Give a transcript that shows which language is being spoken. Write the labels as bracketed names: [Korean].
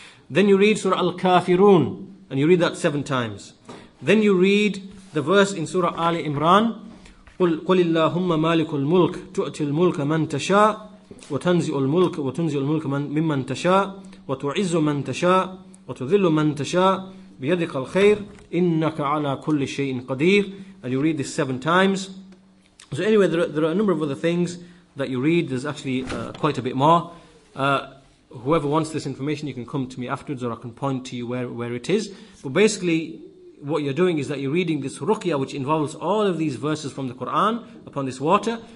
[English] Then you read Surah Al-Kafirun, and you read that 7 times. Then you read the verse in Surah Ali Imran, [Arabic] قُلِ اللَّهُمَّ مَالِكُ الْمُلْكِ تُؤْتِي الْمُلْكَ مَنْ تَشَاءُ وَتَنْزِعُ الْمُلْكَ وَتُنْزِعُ الْمُلْكَ مِمَّنْ تَشَاءُ وَتُعِزُّ مَنْ تَشَاءُ وَتُذِلُّ مَنْ تَشَاءُ بِيَدِكَ الْخَيْرُ إِنَّكَ عَلَى كُلِّ شَيْءٍ قَدِيرٌ. [English] And you read this 7 times. So anyway, there are a number of other things that you read. There's actually quite a bit more. Whoever wants this information, you can come to me afterwards, or I can point to you where it is. But basically, what you're doing is that you're reading this ruqya, which involves all of these verses from the Quran upon this water.